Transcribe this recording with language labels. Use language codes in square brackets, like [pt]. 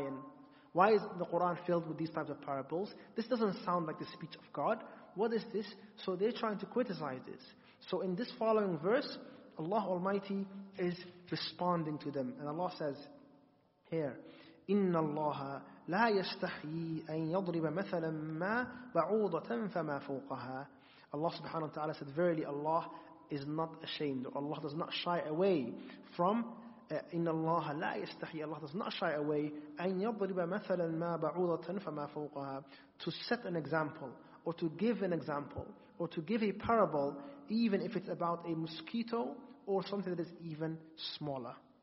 [en] And why is the Quran filled with these types of parables? This doesn't sound like the speech of God. What is this? So they're trying to criticize this. So in this following verse, Allah Almighty is responding to them. And Allah says here, [ar] إِنَّ اللَّهَ لَا يَسْتَحْيِي أَن يَضْرِبَ مَثَلًا مَا بَعُوضَةً فَمَا فَوْقَهَا. [en] Allah subhanahu wa ta'ala said, verily Allah is not ashamed, or Allah does not shy away from [ar] إِنَّ اللَّهَ لَا يَسْتَحْيِي, [en] Allah does not shy away, [ar] أَن يَضْرِبَ مَثَلًا مَا بَعُوضَةً فَمَا فَوْقَهَا, [en] to set an example, or to give an example, or to give a parable, even if it's about a mosquito, or something that is even smaller.